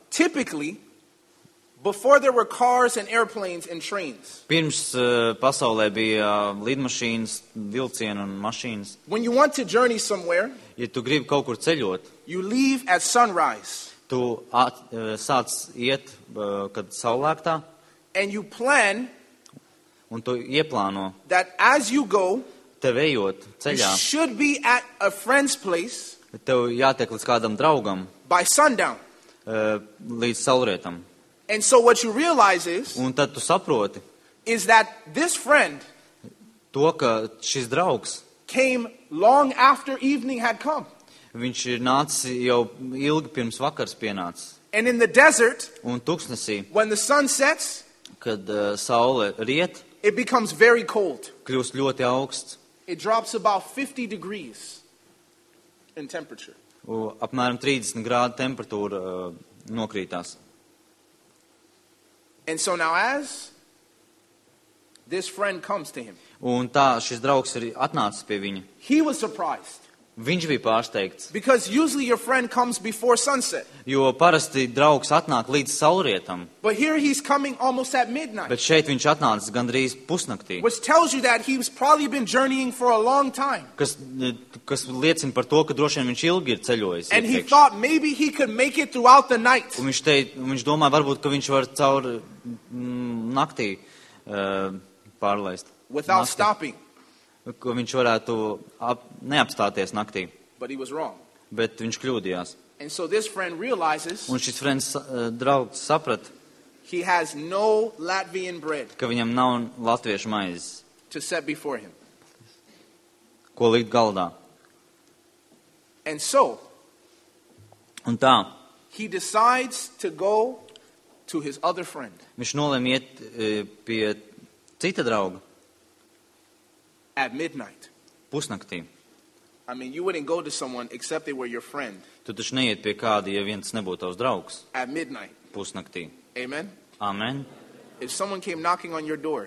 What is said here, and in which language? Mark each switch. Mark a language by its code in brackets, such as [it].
[en] Typically, before there were cars and airplanes and trains. [lv] Pirms pasaulē bija lidmašīnas, vilcieni un mašīnas. [en] When you want to journey somewhere, [lv] ja tu gribi kaut kur ceļot, [en] you leave at sunrise. [lv] Tu sāc iet, kad saulēktā. [en] And you plan. [lv] Un tu ieplāno. [en] That as you go, [lv] tev ejot ceļā, [en] you should be at a friend's place. [lv] Tev jātiek līdz kādam draugam. [en] By sundown. [lv] Līdz saulrietam. [en] And so what you realize is. [lv] Un tad tu saproti. [en] Is that this friend. [lv] To, ka šis draugs. [en] Came long after evening had come. [lv] Viņš ir nācis jau ilgi pirms vakars pienācis. [en] And in the desert. [lv] Un tuksnesī. [en] When the sun sets. [lv] Kad saule riet. [en] It becomes very cold. [lv] Kļūst ļoti auksts. [en] It drops about 50 degrees. In temperature. [lv] Apmēram 30 grādu temperatūra nokrītās. [en] And so now as this friend comes to him. [lv] Un tā šis draugs ir atnācis pie viņa. [en] He was surprised. [lv] Viņš bija pārsteigts. [en] Because usually your friend comes before sunset. [lv] Jo parasti draugs atnāk līdz saulrietam. [en] But here he's coming almost at midnight. [lv] Bet šeit viņš atnācis gandrīz pusnaktī. [en] Which tells you that he's probably been journeying for a long time. [lv] Kas liecina par to, ka droši vien viņš ilgi ir ceļojis. [en] And he thought maybe he could make it throughout the night. [lv] Un viņš domā, varbūt, ka viņš var caur naktī pārlaist. [en] Without stopping. [lv] Ko viņš varētu neapstāties naktī. [en] But he was wrong. [lv] Bet viņš kļūdījās. [en] And so this friend realizes. [lv] Un šis friends draugs saprat. [en] He has no Latvian bread. [lv] Ka viņam nav latviešu maizes. [en] To set before him. [lv] Ko likt galdā. [en] And so. [lv] Un tā. [en] He decides to go to his other friend. [lv] Viņš nolēma iet pie cita drauga. [en] At midnight. [lv] Pusnaktī. [en] I mean, you wouldn't go to someone except they were your friend. [lv] Tu taču neiet pie kāda, ja viens nebūtu tavs draugs. [en] At midnight. [lv] Pusnaktī. [en] Amen. [lv] Amen. [en] If someone came knocking on your door.